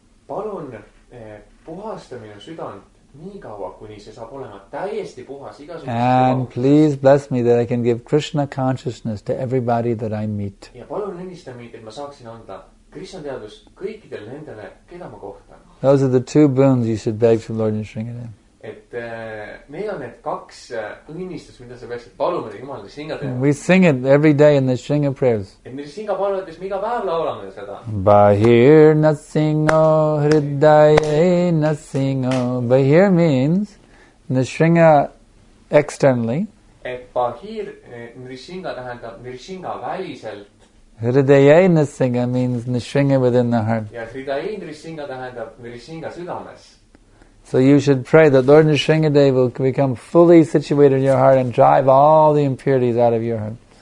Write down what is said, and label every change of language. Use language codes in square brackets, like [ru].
[et] Palun puhasta minu südant nii kaua, kuni see saab olema täiesti puhas igasuguse. [en] And please bless me that I can give Krishna consciousness to everybody that I meet. [et] Ja palun õnnista mind, et ma saaksin anda Krishna teadus kõikidele nendele, keda ma kohtan. [en] Those are the two boons you should beg from Lord Nrisimhadev. [et] Et meil on need kaks õnnistus, mida sa peaksid paluma Jumalale Shingadev. [en] We sing it every day in the Shinga prayers. [et] Et me Shinga palvetes me iga päev laulame seda. [sa] Bahir Nasingo Hridaye Nasingo. [en] Bahir means Nrisimha externally. [et] Et Bahir Nrisimha tähendab Nrisimha väliselt. [en] Hridaye Nasingo means Nrisimha within the heart. [et] Ja Hridaye Nrisimha tähendab Nrisimha südames. [en] So you should pray that Lord Nrisimhadev will become fully situated in your heart and drive all the impurities out of your heart.